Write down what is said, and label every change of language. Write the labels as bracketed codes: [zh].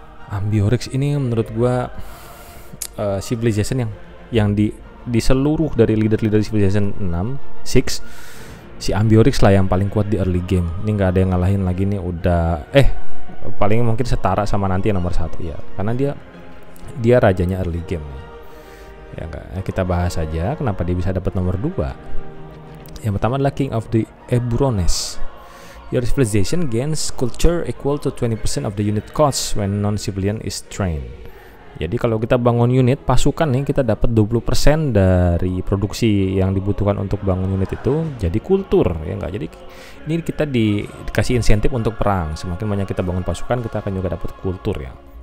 [id] Ambiorix ini menurut gua civilization yang di seluruh dari leader-leader civilization 6, 6 si Ambiorix lah yang paling kuat di early game. Ini gak ada yang ngalahin lagi nih, udah paling mungkin setara sama nanti yang nomor 1 ya. Karena dia rajanya early game. Ya enggak, kita bahas aja kenapa dia bisa dapat nomor 2. Yang pertama adalah King of the Eburones. [en] Your civilization gains culture equal to 20% of the unit cost when non-civilian is trained. [id] Jadi kalau kita bangun unit pasukan nih, kita dapat 20% dari produksi yang dibutuhkan untuk bangun unit itu jadi kultur ya enggak. Jadi ini kita dikasih insentif untuk perang. Semakin banyak kita bangun pasukan, kita akan juga dapat kultur ya.